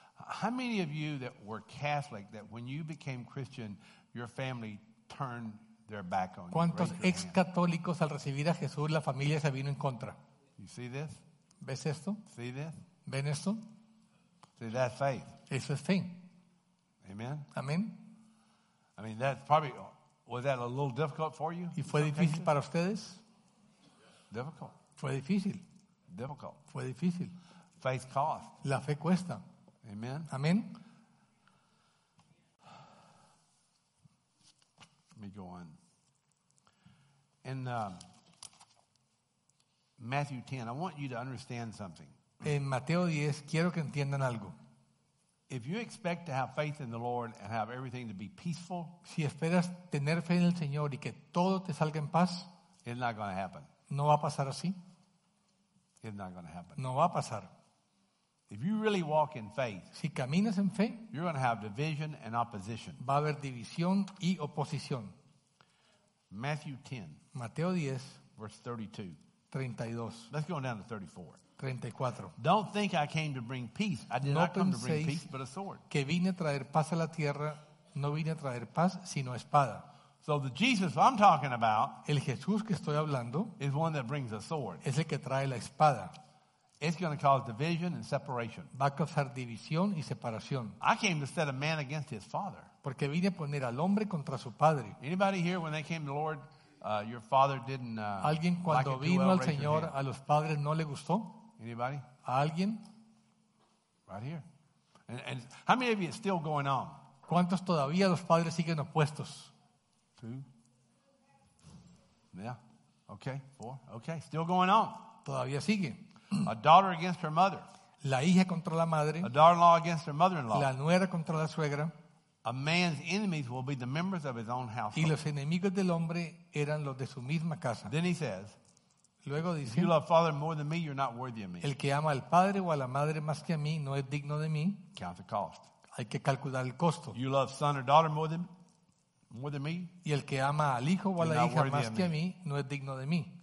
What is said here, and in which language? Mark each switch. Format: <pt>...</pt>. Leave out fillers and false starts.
<en>How many of you that were Catholic that when you became Christian, your family turned their back on you?</en> <es>¿Cuántos ex católicos al recibir a Jesús la familia se vino en contra?</es> <en>You see this?</en> <es>¿Ves esto?</es> <en>See this?</en> <es>¿Ven esto?</es> <en>See, that's faith.</en> <es>Eso es fe.</es> <en>Amen.</en> <es>Amen.</es> <en>I mean, that's probably. Was that a little difficult for you?</en> <es>¿Y fue difícil para ustedes?</es> <en>Difficult.</en> <es>Fue difícil.</es> <en>Difficult.</en> <es>Fue difícil.</es> <en>Faith cost.</en> <es>La fe cuesta.</es> <en>Amen.</en> <es>Amen.</es> <en>Let me go on. In Matthew 10, I want you to understand something.</en> <es>En Mateo 10, quiero que entiendan algo.</es> <en>If you expect to have faith in the Lord and have everything to be peaceful,</en> <es>si esperas tener fe en el Señor y que todo te salga en paz,</es> <en>it's not going to happen.</en> <es>No va a pasar así.</es> <en>It's not going to happen.</en> <es>No va a pasar.</es> <en>If you really walk in faith,</en> <es>si caminas en fe,</es> <en>you're going to have division and opposition.</en> <es>Va a haber división y oposición.</es> <en>Matthew 10,</en> <es>Mateo 10,</es> <en>verse 32.</en> <es>32.</es> <en>Let's go down to 34.</en> <es>34.</es> <en>Don't think I came to bring peace. I did not come to bring peace, but a sword.</en> <es>Que vine a traer paz a la tierra, no vine a traer paz, sino espada.</es> <en>So the Jesus I'm talking about,</en> <es>el Jesús que estoy hablando,</es> <en>is one that brings a sword.</en> <es>Es el que trae la espada.</es> <en>It's going to cause division and separation.</en> <es>Va a causar división y separación.</es> <en>I came to set a man against his father.</en> <es>Porque vine a poner al hombre contra su padre.</es> <en>Anybody here when they came to the Lord, your father didn't</en> <es>alguien cuando</es> <en>like</en> <es>vino</es> <en>well,</en> <es>al Señor a los padres no le gustó?</es> <en>Anybody?</en> <es>¿A alguien?</es> <en>Right here. And how many of you are still going on?</en> <es>¿Cuántos todavía los padres siguen opuestos?</es> <en>Two. Yeah. Okay. Four. Okay. Still going on.</en> <es>Todavía sigue.</es> <en>A daughter against her mother.</en> <es>La hija contra la madre.</es> <en>A daughter-in-law against her mother-in-law.</en> <es>La nuera contra la suegra.</es> <en>A man's enemies will be the members of his own household.</en> <es>Y los enemigos del hombre eran los de su misma casa.</es> <en>Then he says,</en> <es>luego dice,</es> <en>if you love father more than me, you're not worthy of me.</en> <es>El que ama al padre o a la madre más que a mí no es digno de mí.</es> <en>Count the cost.</en> <es>Hay que calcular el costo.</es> <en>You love son or daughter more than me.</en> <es>Y el que ama al hijo o a la hija más que a mí no es digno de mí.</es>